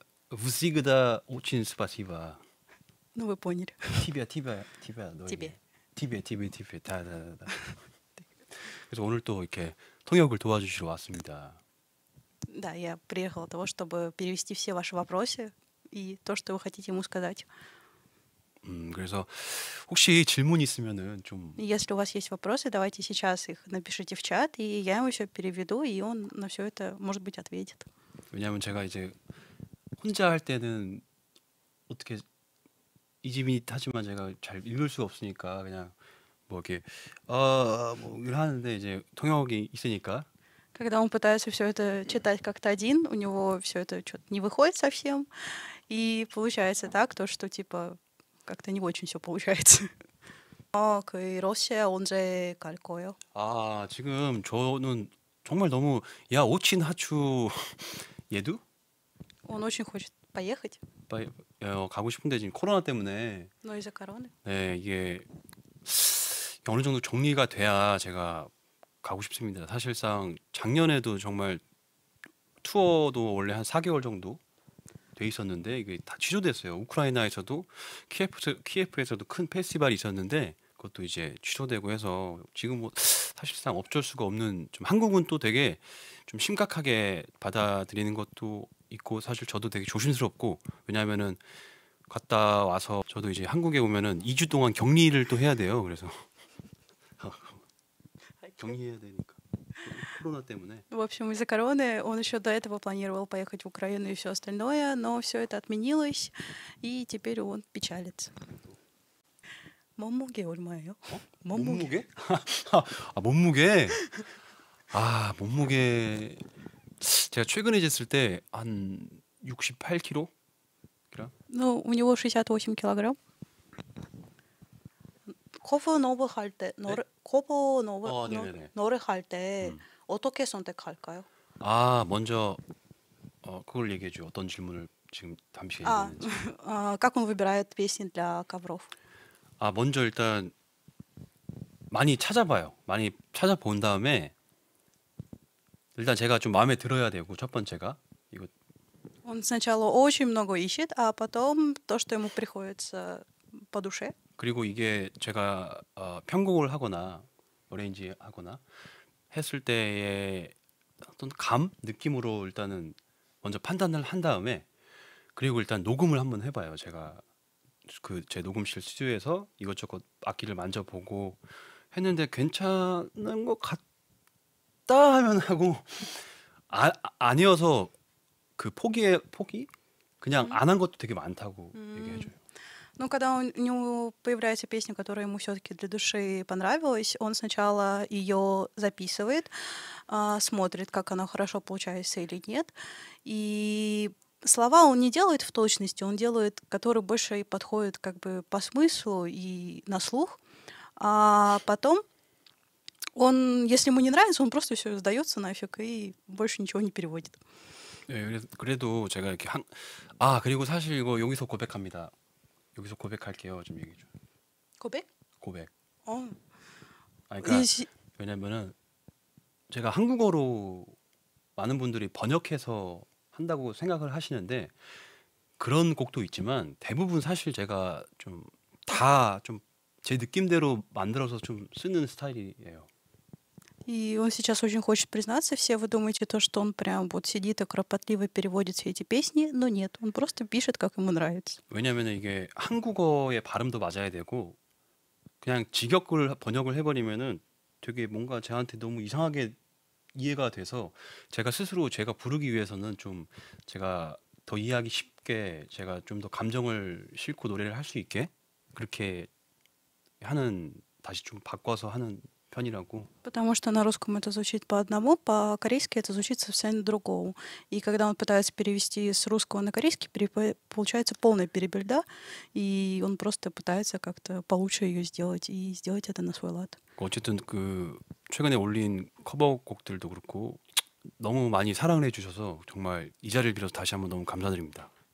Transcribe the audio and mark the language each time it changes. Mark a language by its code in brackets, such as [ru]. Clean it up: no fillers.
[ko] 부싱이다 [ru] 오친 스파시바. [ko] 네, 왜 보니? 티비야, 티비야, 티비야, 집에. 너에게. 티비야, 티비, 티비, 다다다다. 그래서 오늘 또 이렇게 통역을 도와주시러 왔습니다. [ru] Да, я приехала того, чтобы перевести все ваши вопросы и то, что вы хотите ему сказать. [ko] 그래서 혹시 질문 있으면은 좀 [ru] Если у вас есть вопросы, давайте сейчас их напишите в чат, и я ему все переведу, и он на все это, может быть, ответит. [ko] 왜냐면 제가 이제 혼자 할 때는 어떻게 이지민이 하지만 제가 잘 읽을 수가 없으니까 그냥 뭐 이렇게 뭐 이러는데 이제 통역이 있으니까 [ru] Когда он пытается все это читать как-то один, у него все это что-то не выходит совсем. И получается так, то, что типа как-то не очень все получается. А, и Россия, он же какой? [ko] 아 지금 저는 정말 너무 [ru] 야 오친 하추 [ko] 얘도 [ru] Он очень хочет поехать. [ko] 가고 싶은데 지금 코로나 때문에 [ru] Но из-за короны. [ko] 네, 이게 어느 정도 정리가 돼야 제가 가고 싶습니다. 사실상 작년에도 정말 투어도 원래 한 4개월 정도 돼 있었는데 이게 다 취소됐어요. 우크라이나에서도 키예프에서도 큰 페스티벌이 있었는데 그것도 이제 취소되고 해서 지금 뭐 사실상 어쩔 수가 없는 좀 한국은 또 되게 좀 심각하게 받아들이는 것도 있고 사실 저도 되게 조심스럽고 왜냐면은 갔다 와서 저도 이제 한국에 오면은 2주 동안 격리를 또 해야 돼요. 그래서 격리해야 되니까 코로나 때문에 [ru] В общем, из-за короны он еще до этого планировал поехать в Украину и все остальное, но все это отменилось, и теперь он печалится. [ko] 몸무게 얼마예요? 몸무게. 몸무게? 몸무게? 아, 몸무게 제가 최근에 쟀을 때한 68kg? [ru] Ну, у него 68 kg. [ko] 코프 노브 할 때, 노래, 코프 노브, 네네네. 노래 할 때, 어떻게 선택할까요? 아, 먼저 그걸 얘기해 줘. 어떤 질문을 지금 담시게 아, 됐는지. [ru] как он выбирает песни для ковров? [ko] 아, 먼저 일단 많이 찾아봐요. 많이 찾아본 다음에 일단 제가 좀 마음에 들어야 되고 첫 번째가 이거 [ru] Он сначала очень много ищет, а потом то, что ему приходится по душе. [ko] 그리고 이게 제가 편곡을 하거나 어레인지 하거나 했을 때의 어떤 감 느낌으로 일단은 먼저 판단을 한 다음에 그리고 일단 녹음을 한번 해봐요. 제가 그제 녹음실 스튜디오에서 이것저것 악기를 만져보고 했는데 괜찮은 것 같. 다 하면 하고 아니어서 그 포기 그냥 안한 것도 되게 많다고 얘기해 줘요. [ru] Но когда у него появляется песня, которая ему все-таки для души понравилась, он сначала ее записывает, смотрит, как она хорошо получается или нет. И слова он не делает в точности, он делает, которые больше подходят как бы по смыслу и на слух. А потом он, если ему не нравится, он просто все сдается нафиг и больше ничего не переводит. [ko] 예, 그래도 제가 이렇게 아, 그리고 사실 이거 여기서 고백합니다. 여기서 고백할게요. 좀 얘기 좀. 고백? 고백. 어. 아니, 그러니까 왜냐면은 제가 한국어로 많은 분들이 번역해서 한다고 생각을 하시는데 그런 곡도 있지만 대부분 사실 제가 좀다좀제 느낌대로 만들어서 좀 쓰는 스타일이에요. [ru] И он сейчас очень хочет признаться. Все вы думаете то, что он прям вот сидит и кропотливо переводит все эти песни, но нет, он просто пишет, как ему нравится. [ko] 왜냐면은 이게 한국어의 발음도 맞아야 되고 그냥 직역을 번역을 해버리면은 되게 뭔가 저한테 너무 이상하게 이해가 돼서 제가 스스로 제가 부르기 위해서는 좀 제가 더 이해하기 쉽게 제가 좀더 감정을 싣고 노래를 할수 있게 그렇게 하는 다시 좀 바꿔서 하는 편이라고. [ru] Потому что на русском это звучит по одному, по-корейски это звучит совсем другому. И когда он пытается перевести с русского на корейский, получается полная перебельда, и он просто пытается как-то получше ее сделать и сделать это на свой лад. [ko] 어쨌든 그 최근에 올린 커버곡들도 그렇고 너무 많이 사랑해 주셔서 정말 이 자리를 빌어서 다시 한번 너무 감사드립니다.